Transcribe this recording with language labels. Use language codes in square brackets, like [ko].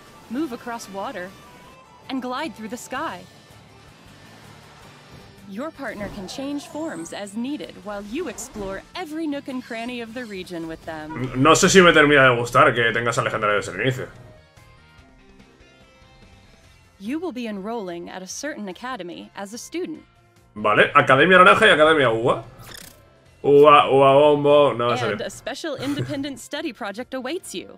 [en] Move across water and glide through the sky. Your partner can change forms as needed while you explore every nook and cranny of the region with them. [es] No sé si me termina de gustar que tengas a legendario desde el inicio. [en] You will be enrolling at a certain academy as a student. [es] Vale, Academia Naranja y Academia Uva. Uva bombo, no va a salir. [en] And a special independent study project awaits you.